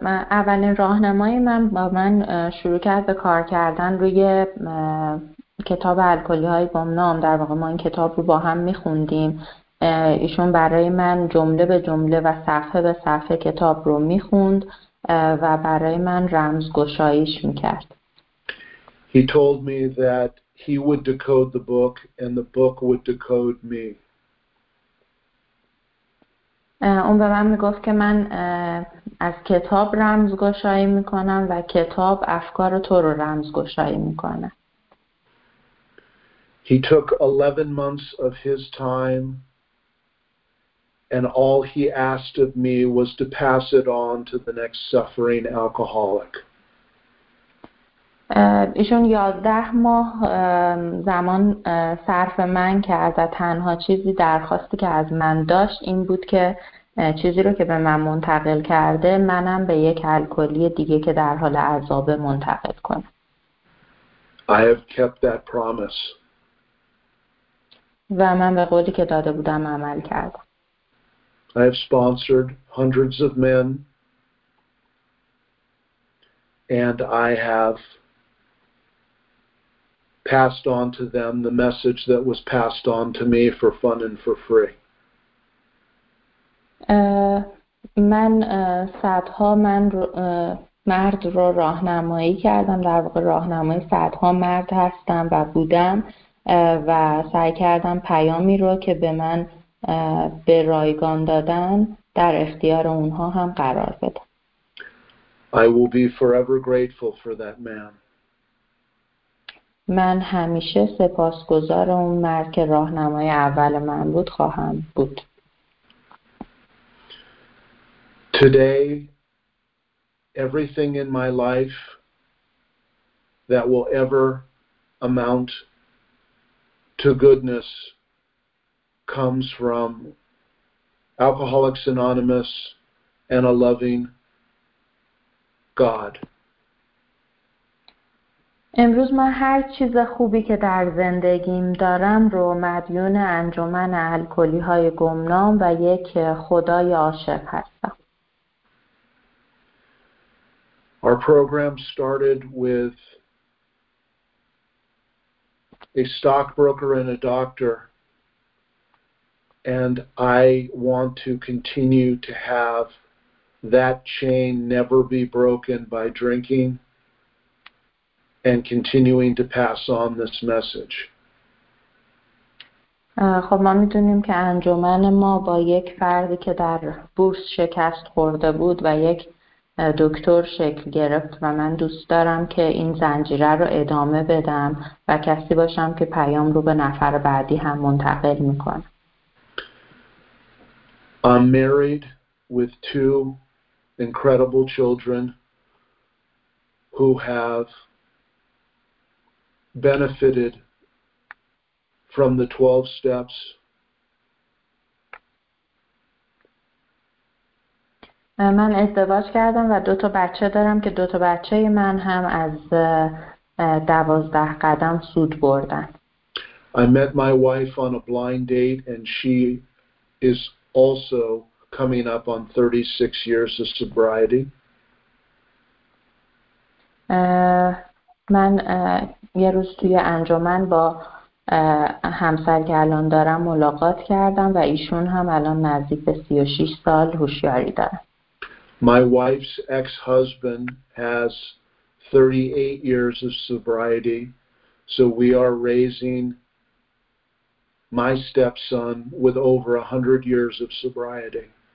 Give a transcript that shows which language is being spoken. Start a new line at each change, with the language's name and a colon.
Persian: اولین راهنمای من با من شروع کرد به کار کردن روی کتاب الکلی های گمنام. در واقع ما این کتاب رو با هم میخوندیم. ایشون برای من جمله به جمله و صفحه به صفحه کتاب رو میخوند و برای من رمزگشاییش میکرد.
English: He told me that he would decode the book and the book would decode me.
Persian: اون به من میگفت که من از کتاب رمزگشایی میکنم و کتاب افکار تو رو رمزگشایی میکنه.
English: He took 11 months of his time and all he asked of me was to pass it on to the next suffering alcoholic.
Persian: ایشون 11 ماه زمان صرف من کرد و تنها چیزی درخواستی که از من داشت این بود که چیزی رو که به من منتقل کرده منم به یک الکلی دیگه که در حال عذاب منتقل کنم.
English: I have kept that promise.
Persian: و من به قولی که داده بودم عمل کردم.
English: I have sponsored hundreds of men and I have passed on to them the message that was passed on to me for fun and for free.
Persian: من صدها من مرد رو راهنمایی کردم، در واقع راهنمای صدها مرد هستم و بودم و سعی کردم پیامی رو که به من به رایگان دادن در اختیار اونها هم قرار بدم.
English: I will be forever grateful for that man.
Persian: من همیشه سپاسگزار اون مرد که راهنمای اول من بود خواهم بود.
English: Today, everything in my life that will ever amount to goodness comes from Alcoholics Anonymous and a loving God.
Persian: امروز من هر چیز خوبی که در زندگیم دارم رو مدیون انجمن الکلی های گمنام و یک خدای عاشق هستم.
English: Our program started with a stockbroker and a doctor, and I want to continue to have that chain never be broken by drinking and continuing to pass on this message.
Persian: خب ما میدونیم که انجمن ما با یک فردی که در بورس شکست خورده بود و یک دکتر شکل گرفت و من دوست دارم که این زنجیره رو ادامه بدم و کسی باشم که پیام رو به نفر بعدی هم منتقل میکنم.
English: I'm married with two incredible children who have benefited from the 12 steps.
Persian: من ازدواج کردم و دو تا بچه دارم که دو تا بچه من هم از 12 قدم سود بردن.
English: I met my wife on a blind date and she is also coming up on 36 years of sobriety.
Persian: من یه روز توی انجمن با همسر که الان دارم ملاقات کردم و ایشون هم الان نزدیک به 36 سال هوشیاری دارن.
English: My wife's ex-husband has 38 years of sobriety, so we are raising my stepson with over 100 years of sobriety.